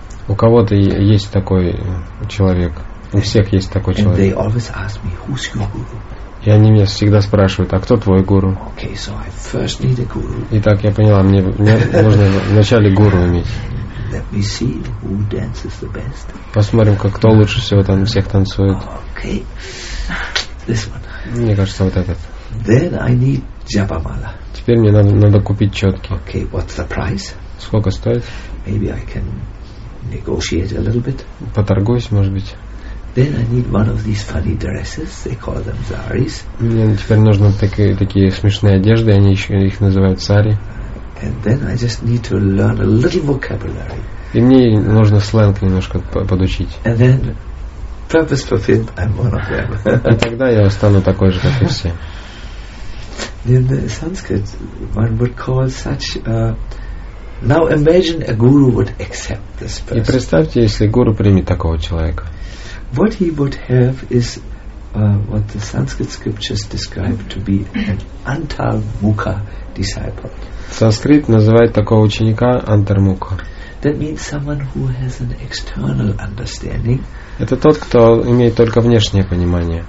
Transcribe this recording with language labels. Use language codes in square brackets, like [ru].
[ru] У кого-то есть такой человек. У всех есть такой человек. [en] And they always ask me, who's your guru? [ru] И они меня всегда спрашивают, а кто твой гуру? [en] Okay, so I first need a guru. [ru] Итак, я поняла, мне нужно вначале гуру иметь. [en] Let me see who dances the best. [ru] Посмотрим, как кто лучше всего там всех танцует. [en] Okay. This one. [ru] Мне кажется, вот этот. [en] Then I need japamala. [ru] Теперь мне надо купить четки. [en] Okay, what's the price? [ru] Сколько стоит? [en] Maybe I can negotiate a little bit. [ru] Поторгуюсь, может быть. [en] Then I need one of these funny dresses. They call them saris. [ru] Мне теперь нужны такие смешные одежды, они еще их называют сари. [en] And then I just need to learn a little vocabulary. [ru] И мне нужно сленг немножко подучить. [en] And then, purpose fulfilled, I'm one of them. [ru] И тогда я стану такой же, как и все. [en] In the Sanskrit, one would call such. Now imagine a guru would accept this person. [ru] И представьте, если гуру примет такого человека. [en] What he would have is what the Sanskrit scriptures describe to be an antarmukha disciple. [ru] Санскрит называет такого ученика антармукха. [en] That means someone who has an external understanding. [ru] Это тот, кто имеет только внешнее понимание.